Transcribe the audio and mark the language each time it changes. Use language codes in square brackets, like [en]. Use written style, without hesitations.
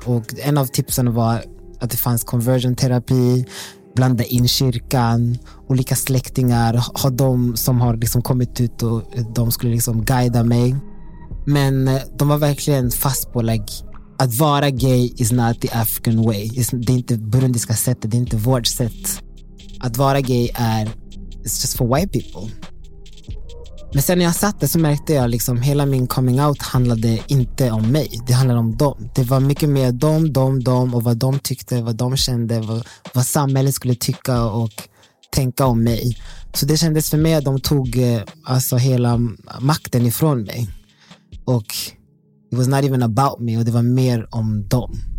[sv] Och en av tipsen var att det fanns conversion therapy, blanda in kyrkan, olika släktingar, ha de som har liksom kommit ut och de skulle liksom guida mig. Men de var verkligen fast på like, att vara [en] gay is not the African way. [sv] Det är inte burundiska sättet, det är inte vårt sätt. Att vara gay är, [en] it's just for white people. [sv] Men sen när jag satt där så märkte jag liksom, hela min coming out handlade inte om mig. Det handlade om dem. Det var mycket mer dem och vad de tyckte, vad de kände, vad samhället skulle tycka och tänka om mig. Så det kändes för mig att de tog alltså hela makten ifrån mig. Och [en] it was not even about me, [sv] och det var mer om dem.